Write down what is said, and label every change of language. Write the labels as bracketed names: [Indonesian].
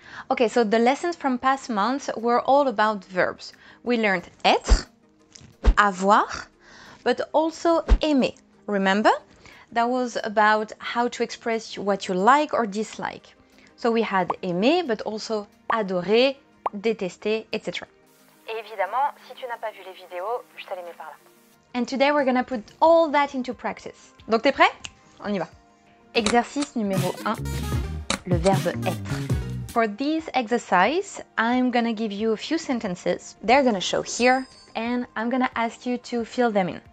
[English] Okay, so the lessons from past months were all about verbs. We learned être, avoir, but also aimer, remember? That was about how to express what you like or dislike. So we had aimer, but also adorer, détester, etc. [French] Et évidemment, si tu n'as pas vu les vidéos, je te les mets par là. [English] And today we're gonna put all that into practice. [French] Donc t'es prêt? On y va. Exercice numéro 1, le verbe être. [English] For this exercise, I'm gonna give you a few sentences. They're gonna show here, and I'm gonna ask you to fill them in.